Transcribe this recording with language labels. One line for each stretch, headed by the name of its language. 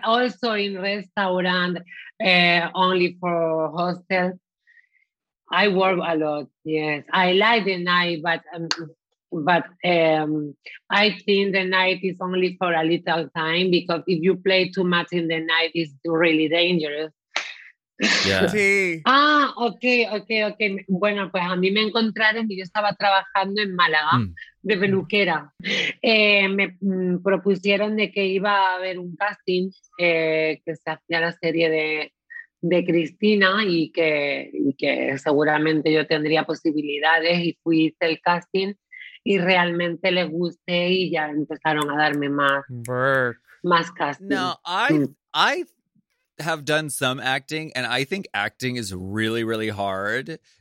English: Also in restaurant, only for hostel. I work a lot, yes. I like the night, but I think the night is only for a little time because if you play too much in the night, it's really dangerous. Yeah. Ah, ok.
Spanish: Bueno, pues a mí me encontraron y yo estaba trabajando en Málaga de peluquera. Me propusieron de que iba a haber un casting que se hacía la serie de Cristina y que seguramente yo tendría posibilidades y fui, hice el casting y realmente les gusté y ya empezaron a darme más casting.
English: No, I have done some acting and I think acting is really, really hard.